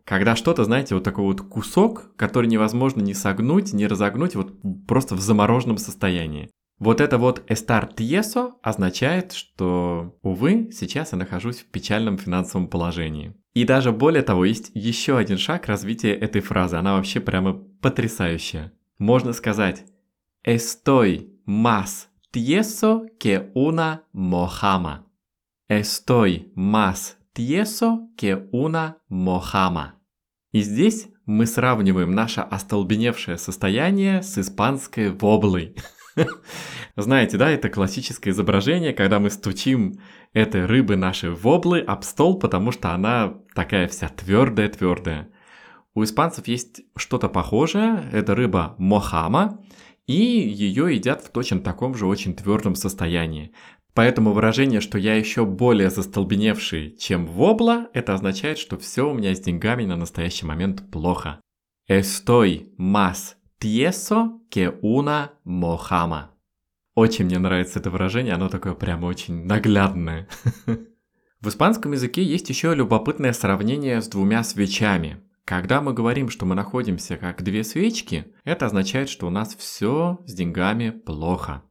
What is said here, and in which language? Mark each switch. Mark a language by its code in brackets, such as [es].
[ru] Когда что-то, знаете, вот такой вот кусок, который невозможно ни согнуть, ни разогнуть, вот просто в замороженном состоянии. Вот это вот [es] «estar tieso» [ru] означает, что, увы, сейчас я нахожусь в печальном финансовом положении. И даже более того, есть еще один шаг развития этой фразы, она вообще прямо потрясающая. [es] Можно сказать «estoy más tieso que una mojama». «Estoy más tieso que una mojama». [ru] И здесь мы сравниваем наше остолбеневшее состояние с испанской воблой. Знаете, да, это классическое изображение, когда мы стучим этой рыбы нашей воблы об стол, потому что она такая вся твердая-твердая. У испанцев есть что-то похожее, это рыба мохама, и ее едят в точно таком же очень твердом состоянии. Поэтому выражение, что я еще более застолбеневший, чем вобла, это означает, что все у меня с деньгами на настоящий момент плохо. [es] Estoy más tieso que una mojama. [ru] Очень мне нравится это выражение, оно такое прямо очень наглядное. В испанском языке есть еще любопытное сравнение с двумя свечами. Когда мы говорим, что мы находимся как две свечки, это означает, что у нас все с деньгами плохо.